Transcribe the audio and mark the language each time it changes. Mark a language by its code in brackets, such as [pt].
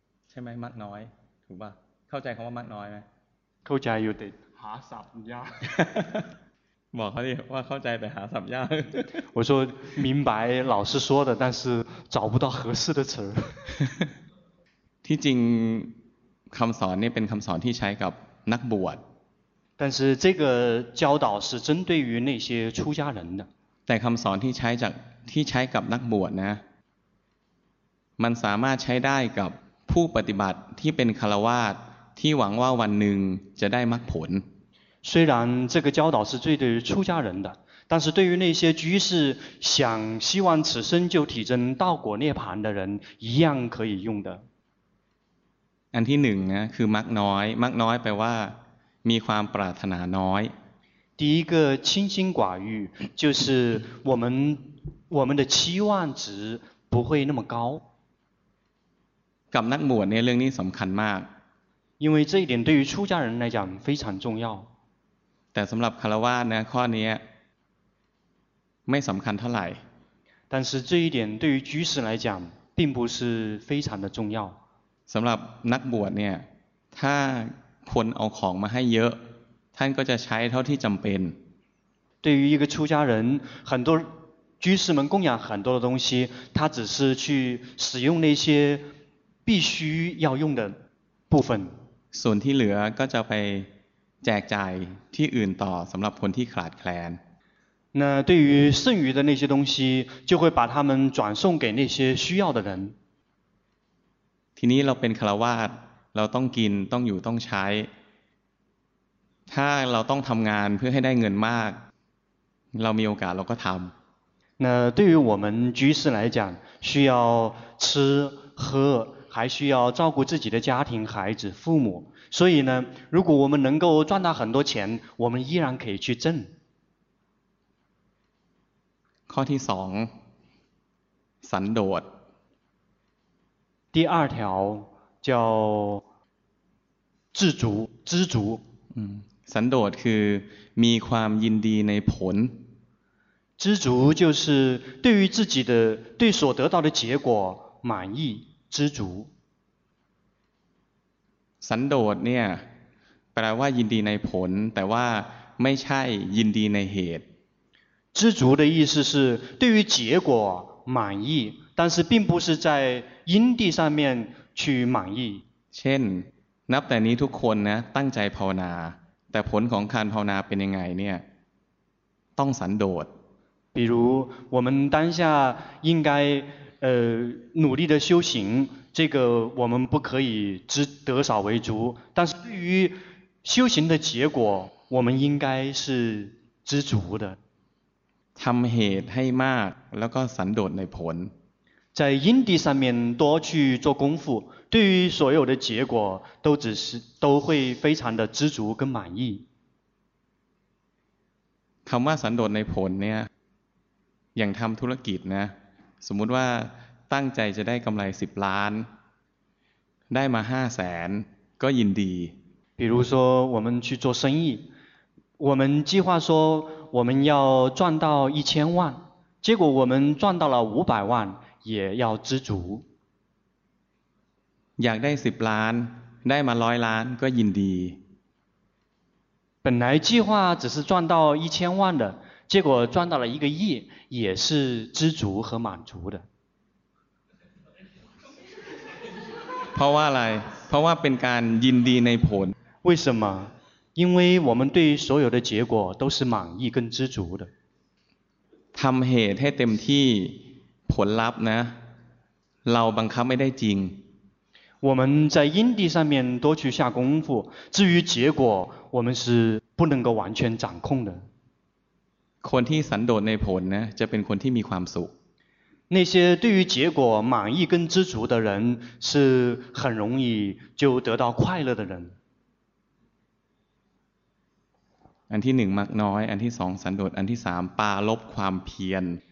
[th] ใช่ไหมมักน้อยถูกป่ะเข้าใจคำว่ามักน้อยไหม เข้าใจอยู่แต่หาศัพท์ยากบอกเขาดิว่าเข้าใจแต่หาสับยาก [zh] 我说明白老师说的但是找不到合适的词 [th] ที่จริงคำสอนนี่เป็นคำสอนที่ใช้กับนักบวช [zh] 但是这个教导是针对于那些出家人的 [th] แต่คำสอนที่ใช้จากที่ใช้กับนักบวชนะมันสามารถใช้ได้กับผู้ปฏิบัติที่เป็นฆราวาสที่หวังว่าวันหนึ่งจะได้มรรคผล [zh] 虽然这个教导是对于出家人的，但是对于那些居士想希望此生就体证道果涅槃的人，一样可以用的。 [th] อันที่หนึ่งนะคือมักน้อยมักน้อยแปลว่ามีความปรารถนาน้อย [zh] 第一个清心寡欲，就是我们的期望值不会那么高。 [th] กับนักบวชเนี่ยเรื่องนี้สำคัญมาก。 [zh] 因为这一点对于出家人来讲非常重要。 [th] แต่สำหรับคฤหัสถ์นะข้อนี้ไม่สำคัญเท่าไหร่。 [zh] 但是这一点对于居士来讲并不是非常的重要。 [th] สำหรับนักบวชเนี่ยถ้าคนเอาของมาให้เยอะท่านก็จะใช้เท่าที่จำเป็น。 [zh] 对于一个出家人，很多居士们供养很多的东西，他只是去使用那些必须要用的部分。 [th] ส่วนที่เหลือก็จะไปแจกจ่ายที่อื่นต่อสำหรับคนที่ขาดแคลน。 [zh] 那对于剩余的那些东西，就会把他们转送给那些需要的人。 [th] ทีนี้เราเป็นฆราวาสเราต้องกินต้องอยู่ต้องใช้ถ้าเราต้องทำงานเพื่อให้ได้เงินมากเรามีโอกาสเราก็ทำ [zh] 那对于我们居士来讲需要吃喝还需要照顾自己的家庭孩子父母所以呢如果我们能够赚到很多钱我们依然可以去挣 [th] ข้อที่สองสันโดษ [zh] 第二条叫自足知足 [th] สันโดษคือมีความยินดีในผล [zh] 知足就是对于自己的对所得到的结果满意知足 [th] สันโดษเนี่ยแปลว่ายินดีในผลแต่ว่าไม่ใช่ยินดีในเหตุ [zh] 知足的意思是对于结果满意但是并不是在因地上面去满意 [th] เช่นนับแต่นี้ทุกคนนะตั้งใจภาวนาแต่ผลของการภาวนาเป็นยังไงเนี่ยต้องสันโดษ [zh] 比如我们当下应该努力的修行这个我们不可以只得少为足但是对于修行的结果我们应该是知足的 [th] ทำเหตุให้มากแล้วก็สันโดษในผล [zh] 在因地上面多去做功夫对于所有的结果都会非常的知足跟满意 [th] คำว่าสันโดษในผลเนี่ยอย่างทำธุรกิจนะสมมุติว่าตั้งใจจะได้กำไร10ล้านได้มา5แสนก็ยินดี [zh] 比如说我们去做生意我们计划说我们要赚到1000万结果我们赚到了500万也要知足 [th] อยากได้10ล้านได้มา100 ล้านก็ยินดี [zh] 本来计划只是赚到1000万的结果赚到了1亿也是知足和满足的 [th] เพราะว่าอะไรเพราะว่าเป็นการยินดีในผล [zh] 为什么因为我们对所有的结果都是满意跟知足的 [th] ทำเหตุให้เต็มที่ผลลัพธ์นะเราบังคับไม่ได้จริง [zh] 我们在因地上面多去下功夫至于结果我们是不能够完全掌控的 [th] คนที่สันโดษในผลนะจะเป็นคนที่มีความสุข [zh] 那些对于结果满意跟知足的人是很容易就得到快乐的人 [th] อันที่หนึ่งมักน้อยอันที่สองสันโดษอันที่สามปาลบความเพียร